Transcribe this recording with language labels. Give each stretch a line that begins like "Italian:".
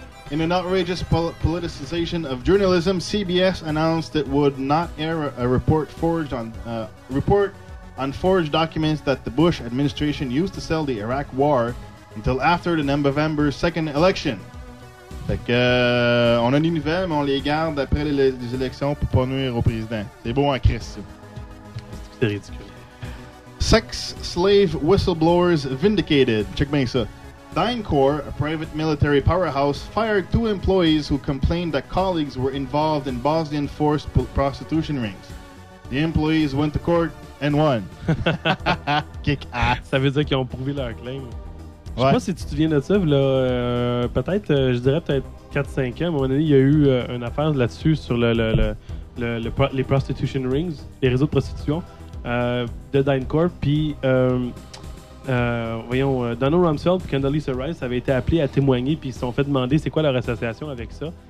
English: In an outrageous politicization of journalism, CBS announced it would not air a report on forged documents that the Bush administration used to sell the Iraq War until after the November 2nd election.
French: Fait que, on a des nouvelles, mais on les garde après les élections pour pas nuire au président. C'est beau en Christ, ça. C'est ridicule.
English: Sex slave whistleblowers vindicated. Check
French: bien ça.
English: DynCorp, a private military powerhouse, fired two employees who complained that colleagues were involved in Bosnian forced prostitution rings. The employees went to court and won. Kick ass.
French: Ça veut dire qu'ils ont prouvé leur claim. Ouais. Je sais pas si tu te souviens de ça, là, peut-être, je dirais peut-être 4-5 ans, à un moment donné, il y a eu une affaire là-dessus sur les
English: prostitution rings,
French: les réseaux de prostitution. De DynCorp, puis Donald Rumsfeld et Condoleezza Rice avaient été appelés à témoigner, puis ils se sont fait demander c'est quoi leur association avec ça.